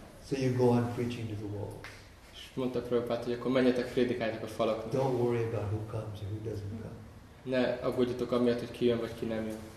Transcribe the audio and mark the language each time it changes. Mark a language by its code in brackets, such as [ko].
[en] So you go on preaching to the walls. [hu] És mondta Prabhupát, hogy akkor menjetek, prédikáljatok a falaknak. [en] Don't worry about who comes and who doesn't come. [hu] Ne aggódjatok amiatt, hogy ki jön, vagy ki nem jön.